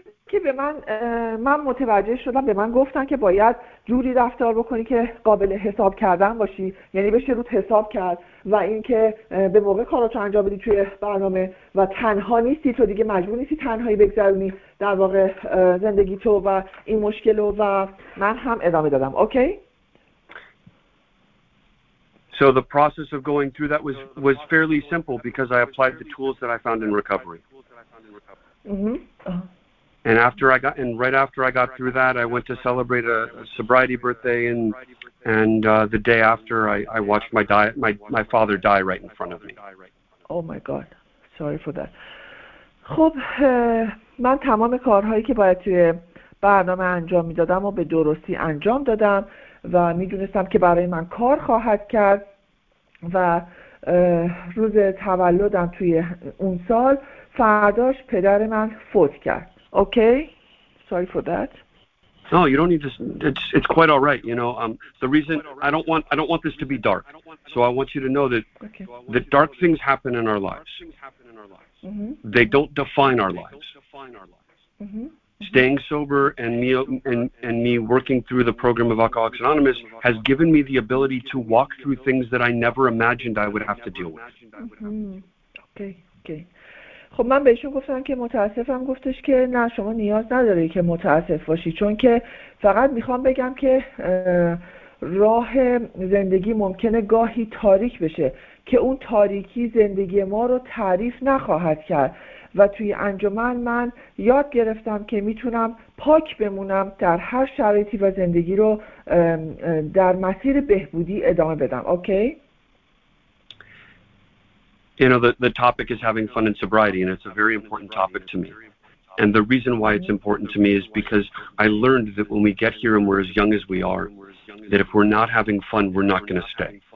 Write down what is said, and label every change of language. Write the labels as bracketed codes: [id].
[fa] که به من من متوجه شدم، به من گفتن که باید جوری رفتار بکنی که قابل حساب کردن باشی، یعنی بشه روت حساب کرد و اینکه به موقع کاراتو انجام بدی توی برنامه و تنها نیستی، تو دیگه مجبور نیستی تنهایی بگذرونی در واقع زندگی تو و این مشکل رو، و من هم ادامه دادم. اوکی. [en] So the process of going through that was fairly simple because I applied the tools that I found in recovery. And right after I got through that, I went to celebrate a sobriety birthday, and the day after I watched my father die right in front of me. Oh my God, sorry for that. [fa] خب من تمام کارهایی که باید توی برنامه انجام میدادم و به درستی انجام دادم و میدونستم که برای من کار خواهد کرد و روز تولدم توی اون سال فرداش پدر من فوت کرد. [en] Okay, sorry for that. No, you don't need to. It's quite all right. You know, the reason I don't want this to be dark. So I want you to know that the dark things happen in our lives. They don't define our lives. Staying sober and me working through the program of Alcoholics Anonymous has given me the ability to walk through things that I never imagined I would have to deal with. Okay. [fa] خب من بهشون گفتم که متاسفم. گفتش که نه، شما نیاز نداری که متاسف باشی، چون که فقط میخوام بگم که راه زندگی ممکنه گاهی تاریک بشه، که اون تاریکی زندگی ما رو تعریف نخواهد کرد و توی انجمن من یاد گرفتم که میتونم پاک بمونم در هر شرایطی و زندگی رو در مسیر بهبودی ادامه بدم. اوکی؟ [en] You know, the topic is having fun and sobriety, and it's a very important topic to me. And the reason why it's important to me is because I learned that when we get here and we're as young as we are, that if we're not having fun, we're not going to stay.